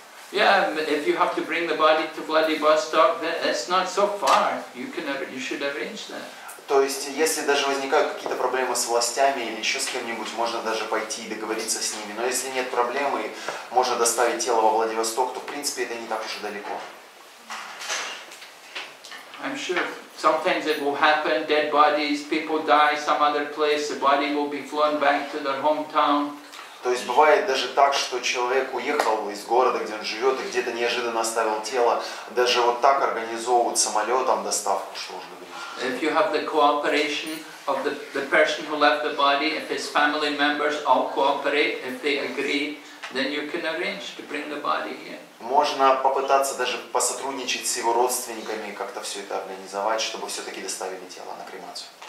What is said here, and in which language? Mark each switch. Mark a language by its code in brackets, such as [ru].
[en] Yeah, if you have to bring the body to Vladivostok, that's not so far. You should arrange that. [ru] То есть, если даже возникают какие-то проблемы с властями или еще с кем-нибудь, можно даже пойти и договориться с ними. Но если нет проблемы, можно доставить тело во Владивосток, то в принципе это не так уж и далеко. [en] I'm sure. Sometimes it will happen. Dead bodies, people die some other place. The body will be flown back to their hometown. [ru] То есть бывает даже так, что человек уехал из города, где он живет, и где-то неожиданно оставил тело. Даже вот так организовывают самолетом доставку, что нужно говорить. [en] If you have the cooperation of the person who left the body, if his family members all cooperate, if they agree, then you can arrange to bring the body here. [ru] Можно попытаться даже посотрудничать с его родственниками, как-то все это организовать, чтобы все-таки доставили тело на кремацию.